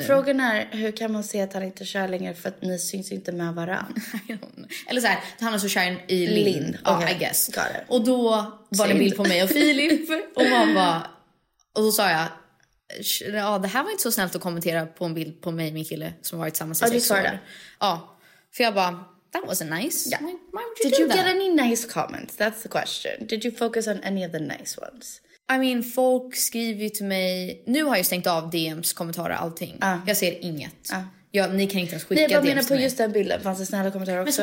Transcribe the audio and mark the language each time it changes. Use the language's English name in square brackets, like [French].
[Swedish] Frågan är, hur kan man se att han inte är kär längre för att ni syns inte med varann? Eller så här, han är så kär i Lin. [English] Ja, okay. I guess. Got it. [Swedish] Och då var det en bild på mig och Filip. Och man bara... Och då sa jag, ja, det här var inte så snällt att kommentera på en bild på mig, min kille, som har varit tillsammans i 6 år. Ja, för jag bara... [English] That wasn't nice. Yeah. Why would you Did you get any nice comments? That's the question. Did you focus on any of the nice ones? I mean, [Swedish] folk skriver ju till mig... Nu har jag stängt av DMs, kommentarer, allting. Jag ser inget. Ja, ni kan inte ens skicka DMs till mig. Jag menar på just den bilden. Fanns det snälla kommentarer också?